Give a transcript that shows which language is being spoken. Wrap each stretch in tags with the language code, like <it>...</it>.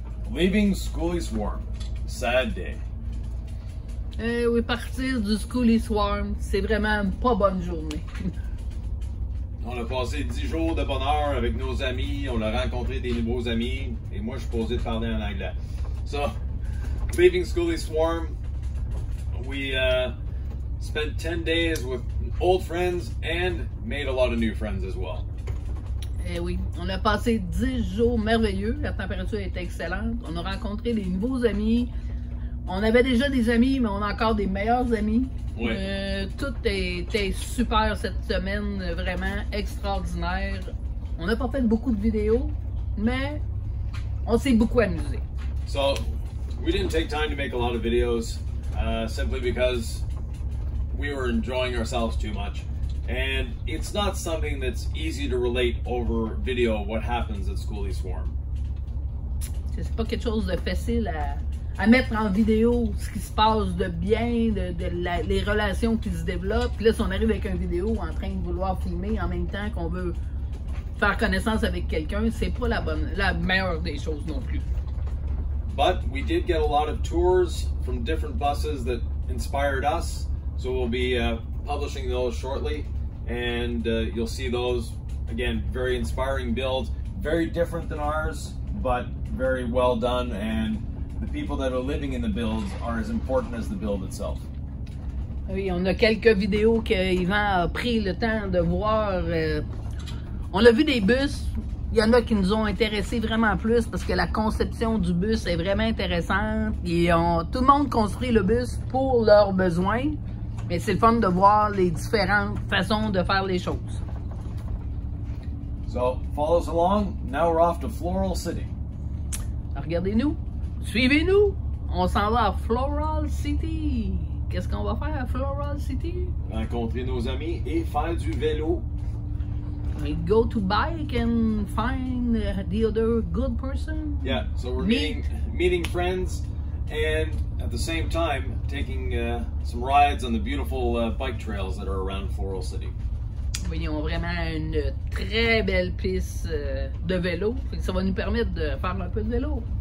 <en>Leaving Skoolie Swarm. Sad day.</en> <fr>Eh oui, partir du Skoolie Swarm, c'est vraiment une pas bonne journée. On a passé 10 jours de bonheur avec nos amis, on a rencontré des nouveaux amis, et moi je suis posé de parler en anglais.</fr> <en>So, leaving Skoolie Swarm, we spent 10 days with old friends and made a lot of new friends as well.</en> <fr>Eh oui, on a passé 10 jours merveilleux, la température était excellente, on a rencontré des nouveaux amis, on avait déjà des amis, mais on a encore des meilleurs amis. Oui. Tout était super cette semaine, vraiment extraordinaire. On n'a pas fait beaucoup de vidéos, mais on s'est beaucoup amusé.</fr> <en>So, we didn't take time to make a lot of videos, simply because we were enjoying ourselves too much. And it's not something that's easy to relate over video what happens at Skoolie Swarm.</en> <fr>C'est pas quelque chose de facile à mettre en vidéo ce qui se passe de bien, les relations qui se développent. Puis là, si on arrive avec une vidéo en train de vouloir filmer en même temps qu'on veut faire connaissance avec quelqu'un, c'est pas la meilleure des choses non plus.</fr> <en>But we did get a lot of tours from different buses that inspired us, so we'll be publishing those shortly, and you'll see those again. Very inspiring builds, very different than ours, but very well done. And the people that are living in the builds are as important as the build itself.</en> <fr>Oui, on a quelques vidéos que Yvan a pris le temps de voir. On a vu des bus. Il y en a qui nous ont intéressés vraiment plus parce que la conception du bus est vraiment intéressante. Et tout le monde construit le bus pour leurs besoins. Mais c'est le fun de voir les différentes façons de faire les choses.</fr> <en>So, follow us along. Now we're off to Floral City.</en> <fr>Regardez-nous. Suivez-nous. On s'en va à Floral City. Qu'est-ce qu'on va faire à Floral City? Rencontrer nos amis et faire du vélo.</fr> <en>We go to bike and find the other good person. Yeah, so we're meeting friends and at the same time taking some rides on the beautiful bike trails that are around Floral City.</en> <fr>Oui, ils ont vraiment une très belle piste de vélo. Ça va nous permettre de faire un peu de vélo.</fr>